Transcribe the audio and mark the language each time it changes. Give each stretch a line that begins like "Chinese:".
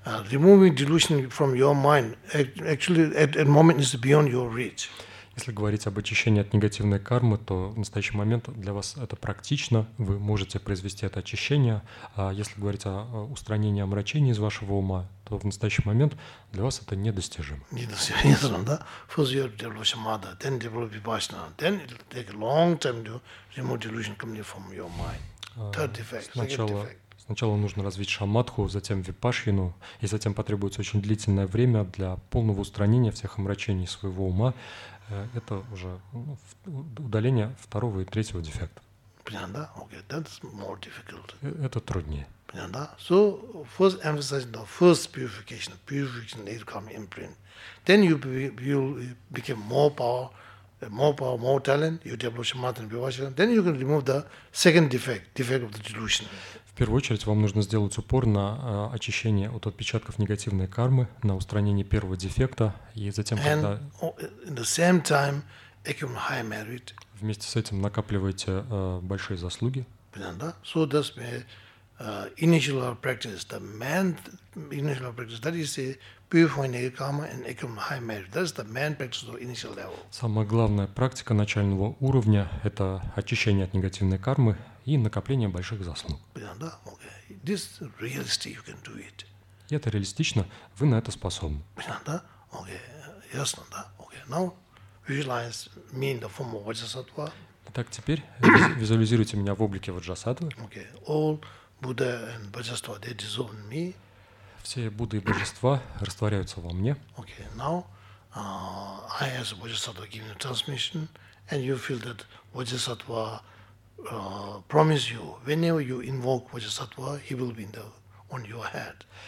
English: Removing delusion from your mind, actually, at a moment, is beyond your reach.
Russian: Если говорить об очищении от негативной кармы, то в настоящий момент для вас это практично, вы можете произвести это очищение. А если говорить о устранении омрачений из вашего ума, то в настоящий момент для вас это недостижимо. Недостижимо, да?
English: First year delusion mada, then develop vipassana, then it will take a long time to remove delusion coming from your mind. Third effect, second effect.
Russian: Сначала нужно развить шамадху, затем випашьину, и затем потребуется очень длительное время для полного устранения всех омрачений своего ума. Это уже удаление второго и третьего дефекта. Понятно, да?
English: Okay, that's more difficult.
Russian: Это труднее. Понятно, да?
English: So, first emphasizing the first purification, purification later come imprint. Then you become more power, more talent, you develop shamadha and vipassana. Then you can remove the second defect, defect of the delusion.
Russian: В первую очередь вам нужно сделать упор на очищение от отпечатков негативной кармы, на устранение первого дефекта, и затем, когда
English: in the same time, accumulate high merit.
Russian: Вместе с этим накапливаете большие заслуги. Понятно?
English: So that's my initial practice, the main initial practice, that is purifying karma and accumulate high merit. That's the main practice of initial level.
Russian: Самая главная практика начального уровня – это очищение от негативной кармы и накопление больших заслуг.
English: Okay.
Russian: Это реалистично, вы на это способны.
English: Okay.
Russian: Ясно, да?
English: Okay. Now,
Russian: итак, теперь визуализируйте меня в облике ваджасатвы.
English: Okay.
Russian: Все Будды и божества растворяются во мне.
English: Okay. Now, I as a bodhisattva give you transmission, and you feel that bodhisattva promise you, whenever you invoke Vajrasattva, he will be on your head.